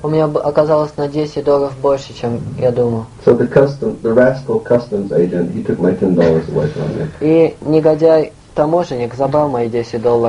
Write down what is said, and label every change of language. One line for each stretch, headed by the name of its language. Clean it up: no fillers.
Russian: У меня оказалось на $10 больше, чем я думал.
English: So the rascal customs agent, he took my $10 away from me.
Russian: И негодяй таможенник забрал мои $10.